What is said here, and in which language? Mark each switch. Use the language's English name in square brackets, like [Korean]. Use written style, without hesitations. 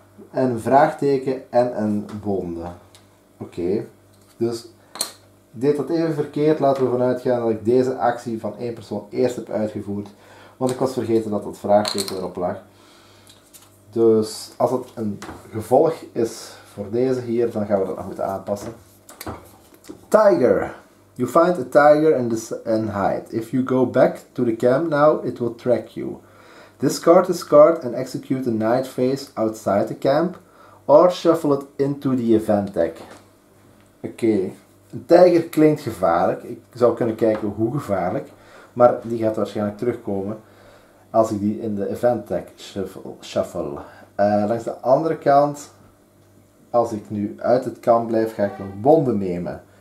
[Dutch] En een vraagteken en een wonde. Oké, dus ik deed dat even verkeerd. Laten we vanuit gaan dat ik deze actie van één persoon eerst heb uitgevoerd. Want ik was vergeten dat dat vraagteken erop lag. Dus als het een gevolg is voor deze hier, dan gaan we dat nog moeten aanpassen. [English] Tiger. You find a tiger and hide. If you go back to the camp now, it will track you. Discard this card and execute a night phase outside the camp or shuffle it into the event deck. [Dutch] Oké. Een tijger klinkt gevaarlijk. Ik zou kunnen kijken hoe gevaarlijk. Maar die gaat waarschijnlijk terugkomen als ik die in de event deck shuffle. Langs de andere kant, als ik nu uit het kamp blijf, ga ik een wonde nemen.